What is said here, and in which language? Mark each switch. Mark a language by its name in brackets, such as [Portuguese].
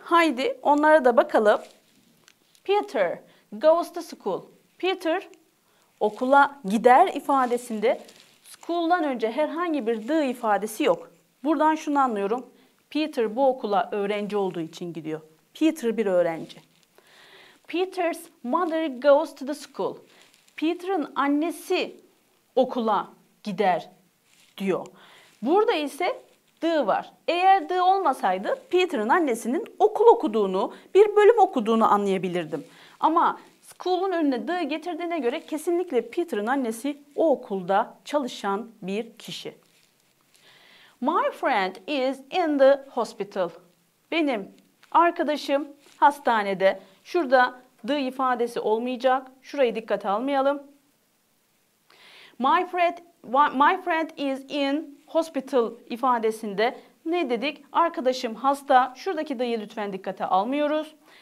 [Turkish] Haydi onlara da bakalım. [English] Peter goes to school. [Turkish] Peter okula gider ifadesinde school'dan önce herhangi bir the ifadesi yok. Buradan şunu anlıyorum. Peter bu okula öğrenci olduğu için gidiyor. Peter bir öğrenci. [English] Peter's mother goes to the school. [Turkish] Peter'ın annesi okula gider diyor. Burada ise the var. Eğer the olmasaydı Peter'ın annesinin okul okuduğunu, bir bölüm okuduğunu anlayabilirdim. Ama school'un önüne the getirdiğine göre kesinlikle Peter'ın annesi o okulda çalışan bir kişi. [English] My friend is in the hospital. [Turkish] Benim arkadaşım hastanede. Şurada the ifadesi olmayacak. Şurayı dikkate almayalım. [English] My friend is in hospital [Turkish] ifadesinde ne dedik? Arkadaşım hasta. Şuradaki the'yi lütfen dikkate almıyoruz.